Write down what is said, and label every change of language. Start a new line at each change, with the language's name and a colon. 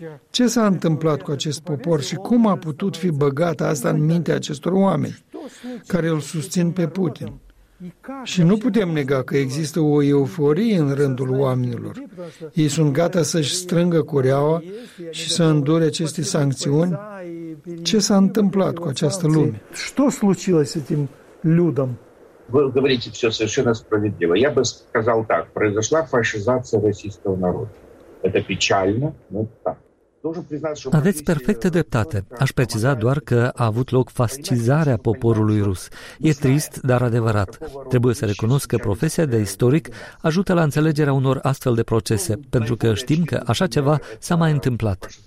Romanian: Ce s-a întâmplat cu acest popor și cum a putut fi băgată asta în mintea acestor oameni care îl susțin pe Putin? Și nu putem nega că există o euforie în rândul oamenilor. Ei sunt gata să-și strângă cureaua și să îndure aceste sancțiuni. Ce s-a întâmplat cu această lume?
Russian: Что случилось с этим людом? Вы говорите всё совершенно справедливо. Я бы сказал так: произошла фашизация российского народа. Это печально, но так.
Romanian: Aveți perfectă dreptate. Aș preciza doar că a avut loc fascizarea poporului rus. E trist, dar adevărat. Trebuie să recunosc că profesia de istoric ajută la înțelegerea unor astfel de procese, pentru că știm că așa ceva s-a mai întâmplat.